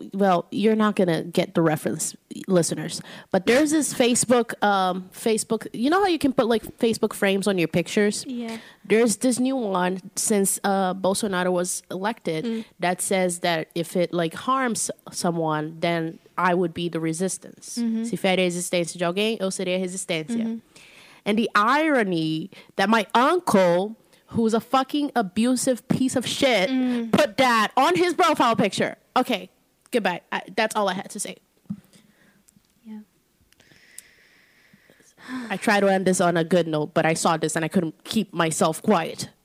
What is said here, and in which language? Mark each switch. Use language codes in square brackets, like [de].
[en] Well, you're not going to get the reference, listeners. But there's this Facebook... You know how you can put, like, Facebook frames on your pictures? Yeah. There's this new one since Bolsonaro was elected that says that if it, like, harms someone, then I would be the resistance. Mm-hmm. [pt] Se fere resistência de alguém, eu seria resistência. Mm-hmm. [en] And the irony that my uncle... who's a fucking abusive piece of shit, put that on his profile picture. Okay, goodbye. That's all I had to say. Yeah. I try to end this on a good note, but I saw this and I couldn't keep myself quiet.